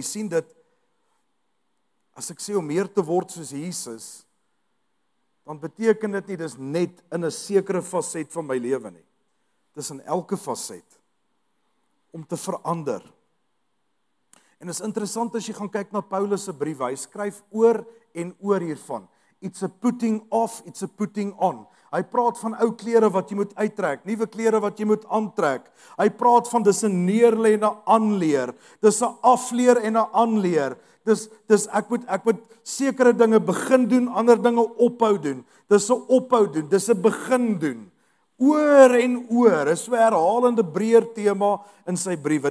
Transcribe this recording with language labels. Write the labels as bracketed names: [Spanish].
[Afrikaans] Jy sien dit, as ek sê om meer te word soos Jesus, dan beteken dit nie, dis net in 'n sekere facet van my lewe nie. Dis in elke facet. Om te verander. En is interessant as jy gaan kyk na Paulus se brief, hy skryf oor en oor hiervan. [English] It's a putting off, it's a putting on. [Afrikaans] Hy praat van ou klere wat jy moet uittrek, nuwe klere wat jy moet aantrek. Hy praat van dis 'n neerlê en 'n aanleer. Dis 'n afleer en 'n aanleer. Dis ek moet sekere dinge begin doen, ander dinge ophou doen. Dis 'n ophou doen, dis 'n begin doen. Oor en oor, is so herhalende breër tema in sy briewe.